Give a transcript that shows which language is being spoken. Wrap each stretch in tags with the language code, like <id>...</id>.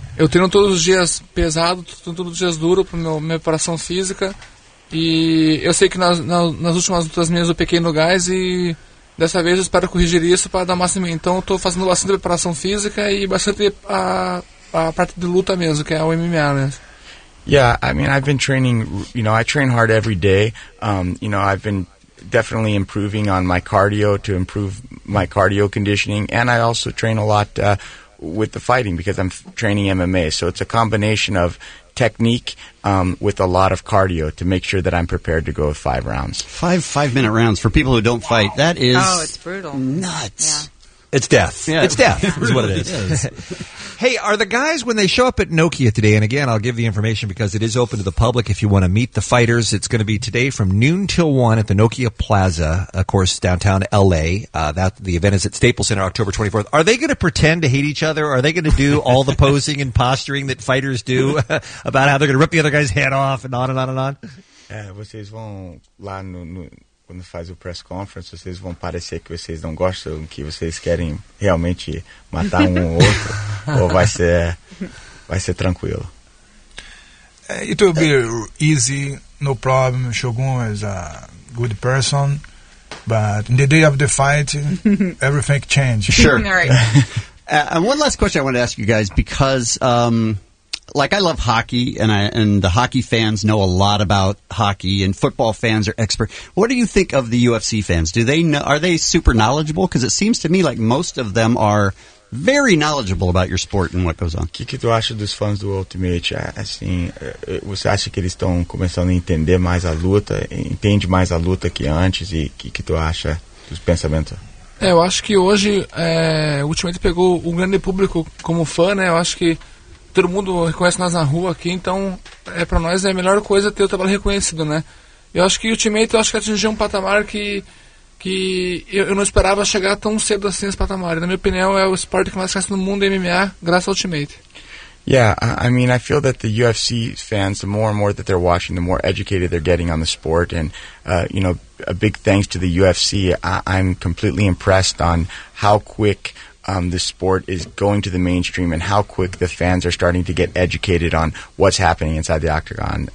<pt>Eu treino todos os dias pesado, todos os dias duro para minha preparação física. E eu sei que nas últimas lutas minhas eu pequei no gás e dessa vez eu espero corrigir isso para dar máximo. Então eu estou fazendo bastante preparação física e bastante a parte de luta mesmo, que é o MMA, né?</pt> <en>Yeah, I mean, I've been training, you know, I train hard every day. You know, I've been definitely improving on my cardio to improve my cardio conditioning. And I also train a lot with the fighting because I'm training MMA. So it's a combination of technique with a lot of cardio to make sure that I'm prepared to go with five rounds. Five-minute rounds for people who don't fight. That is nuts. Yeah. It's death. Yeah, it's death is what it is. Hey, are the guys, when they show up at Nokia today, and again, I'll give the information because it is open to the public if you want to meet the fighters. It's going to be today from noon till 1 at the Nokia Plaza, of course, downtown L.A. The event is at Staples Center October 24th. Are they going to pretend to hate each other? Are they going to do all the posing and posturing that fighters do about how they're going to rip the other guy's head off and on and on and on?</en> <pt>Vocês vão lá quando faz o press conference, vocês vão parecer que vocês não gostam, que vocês querem realmente matar ou outro, ou vai ser tranquilo?</pt> <en>It will be easy, no problem. Shogun is a good person, but in the day of the fight, everything changed. Sure. All right. And one last question I want to ask you guys, because like, I love hockey, and the hockey fans know a lot about hockey, and football fans are expert. What do you think of the UFC fans? Do they know, are they super knowledgeable? Because it seems to me like most of them are very knowledgeable about your sport and what goes on.</en> <pt>Que tu acha dos fãs do Ultimate? Assim, você acha que eles estão começando a entender mais a luta, entende mais a luta que antes, e que tu acha dos pensamentos? Eu acho que hoje, o Ultimate pegou um grande público como fã, né? Eu acho que todo mundo reconhece nós na rua aqui, então é, pra nós é a melhor coisa ter o trabalho reconhecido, né? Eu acho que o Ultimate, eu acho que atingiu um patamar que eu não esperava chegar tão cedo assim nesse patamar. Na minha opinião, é o esporte que mais cresce no mundo, MMA, graças ao Ultimate.</pt> <en>Yeah, I mean, I feel that the UFC fans, the more and more that they're watching, the more educated they're getting on the sport. And, you know, a big thanks to the UFC. I'm completely impressed on how quick the sport is going to the mainstream and how quick the fans are starting to get educated on what's happening inside the octagon.</en>